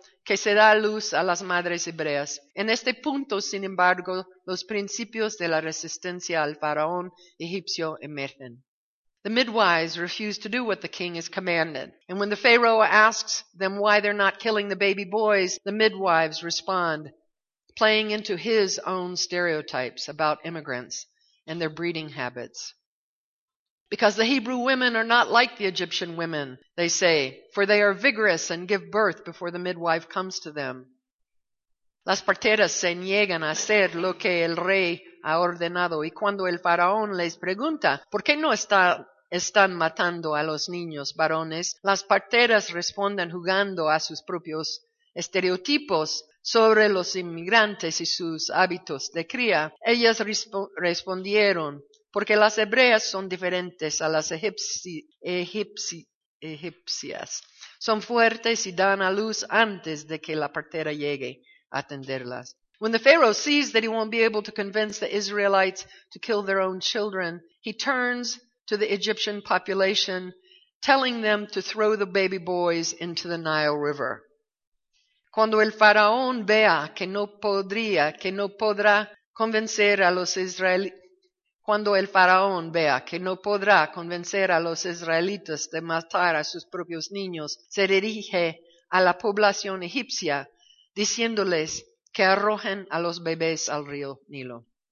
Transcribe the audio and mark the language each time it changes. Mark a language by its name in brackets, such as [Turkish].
[Spanish] que se da luz a las madres hebreas. En este punto, sin embargo, los principios de la resistencia al faraón egipcio emergen. [English] The midwives refuse to do what the king has commanded. And when the pharaoh asks them why they're not killing the baby boys, the midwives respond, playing into his own stereotypes about immigrants and their breeding habits. Because the Hebrew women are not like the Egyptian women, they say, for they are vigorous and give birth before the midwife comes to them. [Spanish] Las parteras se niegan a hacer lo que el rey ha ordenado, y cuando el faraón les pregunta por qué no están matando a los niños varones, las parteras responden jugando a sus propios estereotipos sobre los inmigrantes y sus hábitos de cría. Ellas respondieron, porque las hebreas son diferentes a las egipcias. Son fuertes y dan a luz antes de que la partera llegue a atenderlas. [English] When the Pharaoh sees that he won't be able to convince the Israelites to kill their own children, he turns to the Egyptian population, telling them to throw the baby boys into the Nile River. [Spanish] Cuando el faraón vea que no podría, que no podrá convencer a los israelitas, cuando el faraón vea que no podrá convencer a los israelitas de matar a sus propios niños, se dirige a la población egipcia diciéndoles que arrojen a los bebés al río Nilo.